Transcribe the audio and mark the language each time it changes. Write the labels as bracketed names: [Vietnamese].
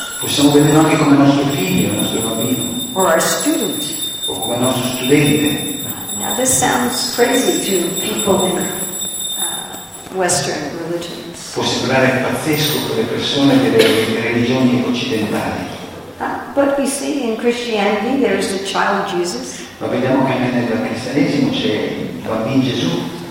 [Italian] Possiamo vederlo anche come nostro figlio, nostro bambino. [English] Or our student. [Italian] O come nostro studente. [English] Now this sounds crazy to people in Western religions. [Italian] Può sembrare pazzesco per le persone delle religioni occidentali. [English] But we see in Christianity there is a child Jesus. [Italian] Ma vediamo che anche nel cristianesimo c'è il bambino Gesù.